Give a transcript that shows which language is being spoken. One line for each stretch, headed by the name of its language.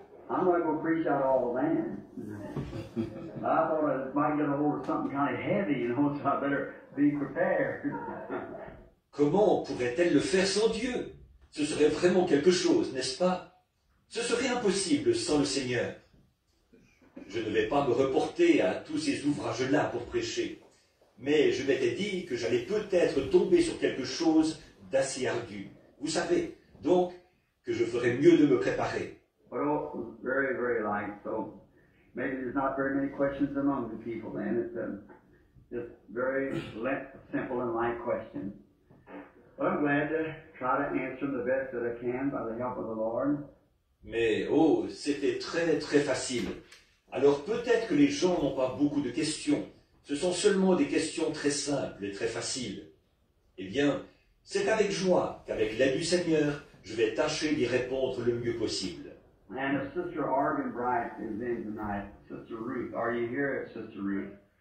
English: I'm not going to preach out all the man. I thought I might get a hold of something kind of heavy, you know, so I better be prepared.
French: Comment pourrait-elle le faire sans Dieu? Ce serait vraiment quelque chose, n'est-ce pas? Ce serait impossible sans le Seigneur. Je ne vais pas me reporter à tous ces ouvrages-là pour prêcher, mais je m'étais dit que j'allais peut-être tomber sur quelque chose d'assez ardu. Vous savez, donc, que je ferais mieux de me préparer.
English: Well, very, very light. So maybe there's not very many questions among the people then. It's a just very simple and light question. Well, I'm glad to try to answer them the best that I can by the help of the Lord.
French: Mais, oh, c'était très, très facile. Alors peut-être que les gens n'ont pas beaucoup de questions. Ce sont seulement des questions très simples et très faciles. Eh bien, c'est avec joie qu'avec l'aide du Seigneur, je vais tâcher d'y répondre le mieux possible.
English: And if Sister Arvin Bright is in tonight, Sister Ruth, are you here, Sister Ruth?